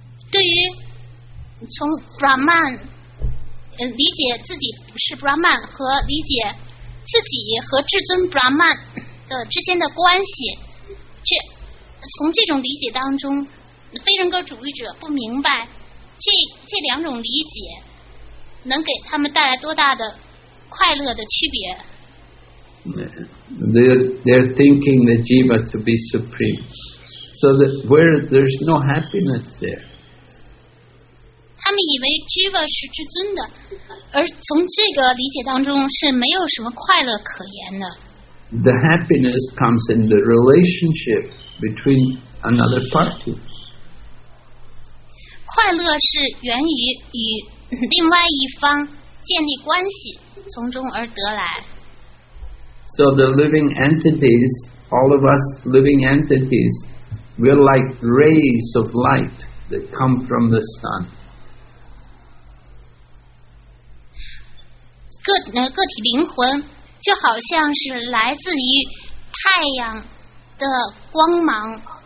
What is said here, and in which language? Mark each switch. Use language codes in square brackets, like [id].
[zh] 对于从 Brahman理解自己不是 Brahman 和理解自己和至尊 Brahman 的之间的关系，从这种理解当中，非人格主义者不明白这两种理解能给他们带来多大的快乐的区别。 [en] They're thinking the jiva to be supreme, so that where there's no happiness there. [zh] 他们以为 Jiva 是至尊的，而从这个理解当中是没有什么快乐可言的。 [en] The happiness comes in the relationship between another party. [zh] 快乐是源于与另外一方建立关系，从中而得来。 [en] So the living entities, all of us living entities, we're like rays of light that come from the sun. [zh] 个体灵魂就好像是来自于太阳的光芒。